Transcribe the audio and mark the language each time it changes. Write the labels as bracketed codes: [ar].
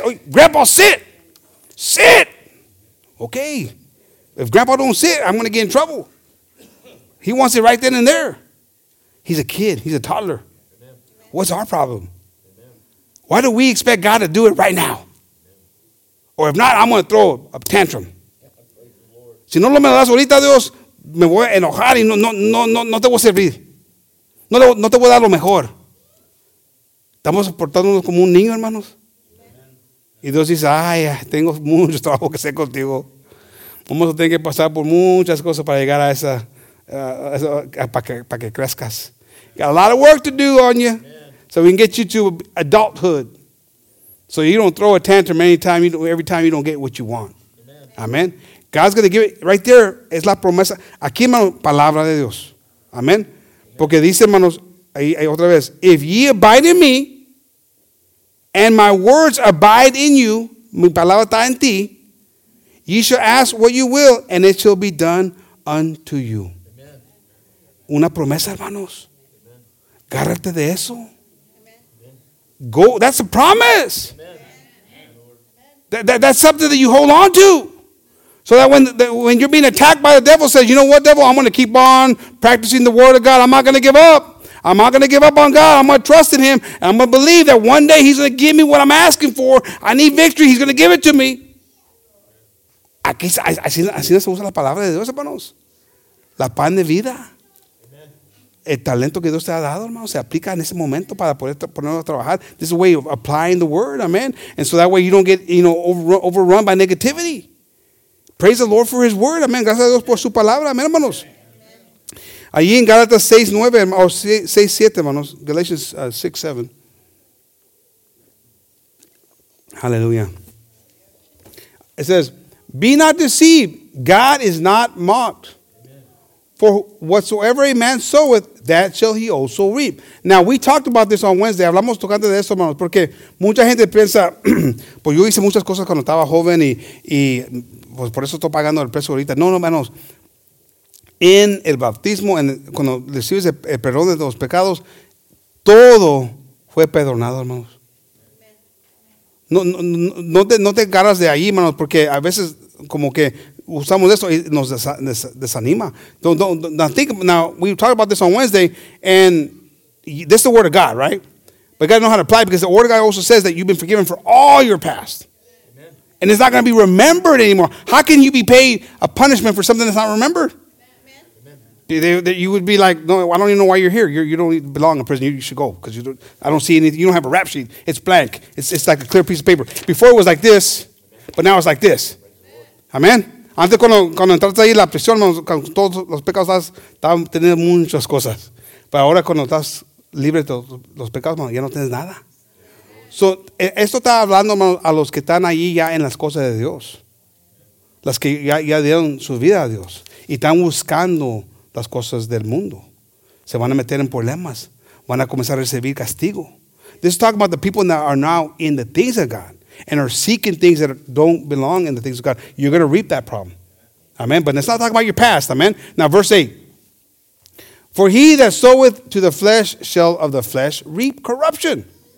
[en] Grandpa, sit. Okay. If grandpa don't sit, I'm going to get in trouble. He wants it right then and there. He's a kid. He's a toddler. Amen. What's our problem? Amen. Why do we expect God to do it right now? Amen. Or if not, I'm going to throw a tantrum. [es] Si no lo me das ahorita, Dios, me voy a enojar y no te voy a servir. No te voy a dar lo mejor. Estamos portándonos como un niño, hermanos. Amen. Y Dios dice, ay, tengo mucho trabajo que hacer contigo. Vamos a tener que pasar por muchas cosas para llegar a esa... para que crezcas. [en] Got a lot of work to do on you. Amen. So we can get you to adulthood. So you don't throw a tantrum every time you don't get what you want. Amen. Amen. God's going to give it. Right there [es] es la promesa. Aquí, hermanos, palabra de Dios. Amen. Porque dice, hermanos, ahí otra vez, [en] if ye abide in me and my words abide in you, [es] mi palabra está en ti, [en] ye shall ask what you will and it shall be done unto you. [es] Una promesa, hermanos. Agárrate de eso. [en] Amen. Go. That's a promise. Amen. That's something that you hold on to. So that when you're being attacked by the devil, says, you know what, devil? I'm going to keep on practicing the word of God. I'm not going to give up. I'm not going to give up on God. I'm going to trust in him. And I'm going to believe that one day he's going to give me what I'm asking for. I need victory. He's going to give it to me. [es] Así no se usa la palabra de Dios, hermanos. La pan de vida. el talento que Dios te ha dado, hermano, se aplica en ese momento para poder ponerlo a trabajar. [en] This is a way of applying the word, amen. And so that way you don't get, you know, overrun by negativity. Praise the Lord for his word, amen. [es] Gracias a Dios por su palabra, amen, hermanos. Allí en Gálatas 6:9 o 6:7, hermanos. Galatians 6:7. [en] Hallelujah. It says, be not deceived. God is not mocked. For whatsoever a man soweth, that shall he also reap. Now, we talked about this on Wednesday. [es] Hablamos tocando de esto, hermanos. Porque mucha gente piensa, pues yo hice muchas cosas cuando estaba joven y pues por eso estoy pagando el precio ahorita. No, no, hermanos. En el bautismo, cuando recibes el perdón de los pecados, todo fue perdonado, hermanos. No te agarras de ahí, hermanos, porque a veces como que usamos eso y nos desanima. [en] Now, we talked about this on Wednesday, and this is the word of God, right? But you got to know how to apply it, because the word of God also says that you've been forgiven for all your past. Amen. And it's not going to be remembered anymore. How can you be paid a punishment for something that's not remembered? That you would be like, no, I don't even know why you're here. You don't belong in prison. You should go, because I don't see anything. You don't have a rap sheet. It's blank. It's like a clear piece of paper. Before it was like this, but now it's like this. Amen. [es] Antes cuando entraste ahí la prisión, con todos los pecados estaban teniendo muchas cosas. Pero ahora cuando estás libre de los pecados, ya no tienes nada. So esto está hablando a los que están ahí ya en las cosas de Dios, las que ya dieron su vida a Dios y están buscando las cosas del mundo. Se van a meter en problemas. Van a comenzar a recibir castigo. [en] This is talking about the people that are now in the things of God and are seeking things that don't belong in the things of God. You're going to reap that problem. Amen. But let's not talk about your past. Amen. Now, verse 8. For he that soweth to the flesh shall of the flesh reap corruption.